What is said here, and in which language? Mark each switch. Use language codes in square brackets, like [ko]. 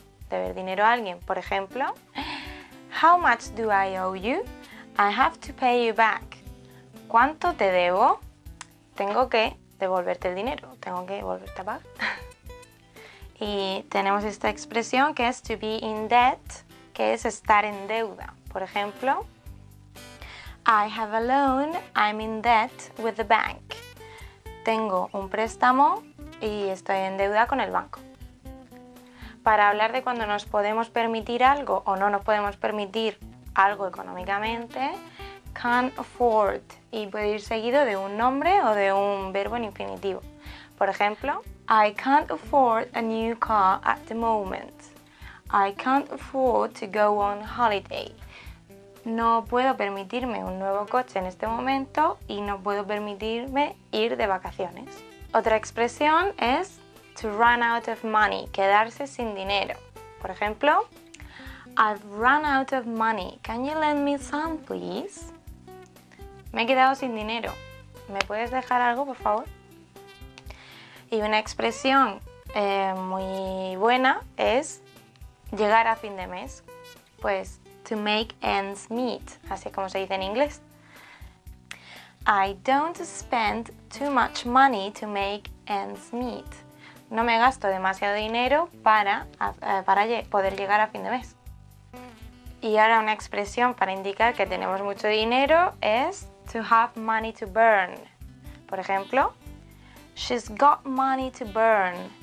[es] Deber dinero a alguien. Por ejemplo, [en] how much do I owe you? I have to pay you back. [es] ¿Cuánto te debo? Tengo que devolverte el dinero, tengo que devolverte a pagar. Y tenemos esta expresión que es [en] to be in debt, [es] que es estar en deuda. Por ejemplo, [en] I have a loan, I'm in debt with the bank. [es] Tengo un préstamo y estoy en deuda con el banco. Para hablar de cuando nos podemos permitir algo o no nos podemos permitir algo económicamente, [en] can't afford, [es] y puede ir seguido de un nombre o de un verbo en infinitivo. Por ejemplo, [en] I can't afford a new car at the moment. I can't afford to go on holiday. [es] No puedo permitirme un nuevo coche en este momento y no puedo permitirme ir de vacaciones. Otra expresión es [en] to run out of money, [es] quedarse sin dinero. Por ejemplo, [en] I've run out of money. Can you lend me some, please? [es] Me he quedado sin dinero. ¿Me puedes dejar algo, por favor? Y una expresión muy buena es llegar a fin de mes. Pues [en] to make ends meet. [es] Así como se dice en inglés. [en] I don't spend too much money to make ends meet. [es] No me gasto demasiado dinero para poder llegar a fin de mes. Y ahora una expresión para indicar que tenemos mucho dinero es [en] to have money to burn. [es] Por ejemplo, [en] she's got money to burn.